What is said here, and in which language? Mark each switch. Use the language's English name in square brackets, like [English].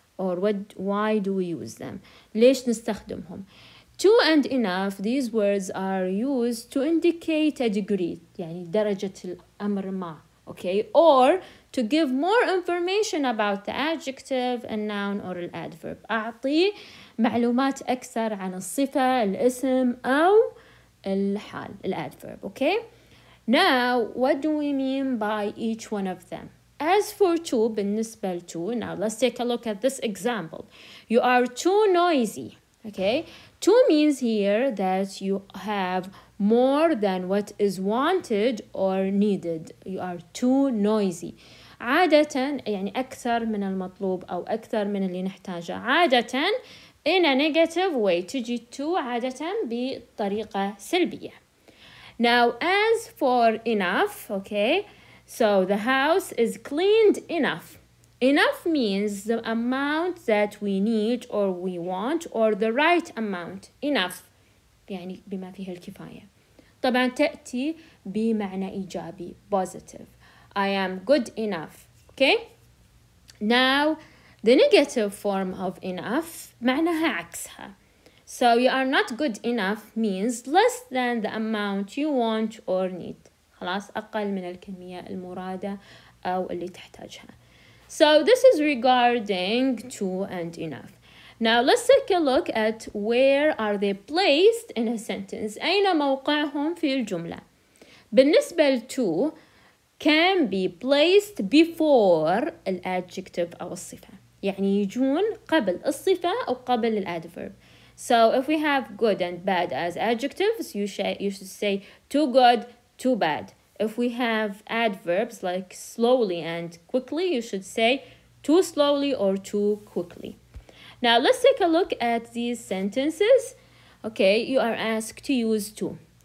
[English] or what, why do we use them? [Arabic] ليش نستخدمهم؟ [English] To and enough, these words are used to indicate a degree, [Arabic] يعني درجة الأمر ما, [English] okay? Or to give more information about the adjective, a noun, or an adverb. [Arabic] أعطي معلومات أكثر عن الصفة, الاسم, أو الحال, الادverb, okay? [English] Now, what do we mean by each one of them? As for two, [Arabic] بالنسبة لتو, [English] now let's take a look at this example. You are too noisy, okay? Two means here that you have more than what is wanted or needed. You are too noisy. [Arabic] عادة, يعني أكثر من المطلوب أو أكثر من اللي نحتاجه. عادة, [English] in a negative way, [Arabic] تجي تو عادة بطريقة سلبية. [English] Now, as for enough, okay, so the house is cleaned enough. Enough means the amount that we need or we want or the right amount. [Arabic] Enough. يعني بما فيها الكفاية. طبعا تأتي بمعنى إيجابي. Positive. [English] I am good enough. Okay? Now, the negative form of enough [Arabic] معناها عكسها. [English] So, you are not good enough means less than the amount you want or need. [Arabic] خلاص أقل من الكمية المرادة أو اللي تحتاجها. [English] So this is regarding to and enough. Now let's take a look at where are they placed in a sentence. [Arabic] أين موقعهم في الجملة؟ بالنسبة لto [English] can be placed before the adjective [Arabic] أو الصفة. يعني يجون قبل الصفة أو قبل the adverb. [English] So if we have good and bad as adjectives, you should say too good, too bad. If we have adverbs like slowly and quickly, you should say too slowly or too quickly. Now, let's take a look at these sentences. Okay, you are asked to use to.